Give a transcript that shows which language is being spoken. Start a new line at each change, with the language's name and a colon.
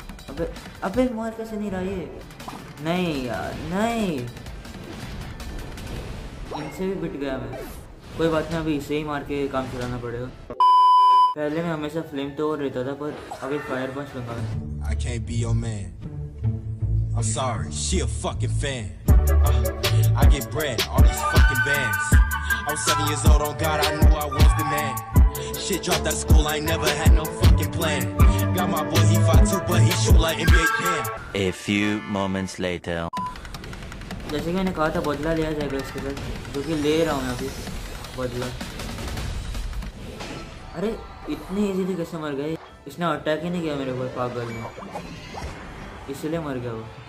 Hindi: अबे अबे मार कैसे नहीं रहा ये। नहीं यार नहीं, इनसे भी बिट गया मैं। कोई बात नहीं, अभी इसे ही मार के काम चलाना पड़ेगा। पहले मैं हमेशा फ्लेम तो रहता था पर अभी फायर पंच लगा मैं।
English: I can't be your man. I'm sorry, she a fucking fan. I get bread, all these fucking bands. I was 7 years old, oh God, I knew I was the man. Shit dropped out of school, I never had no fucking plan. Got my boy, he 5'2", but he shoot like NBA Jam. A few moments later.
Hindi: जैसे कि मैंने कहा था बदला लिया जाएगा इसके साथ, जो कि ले रहा हूँ मैं अभी बदला। अरे इतनी इजीली कैसे मर गए, इसने अटैक ही नहीं किया मेरे ऊपर पागल में, इसलिए मर गया वो।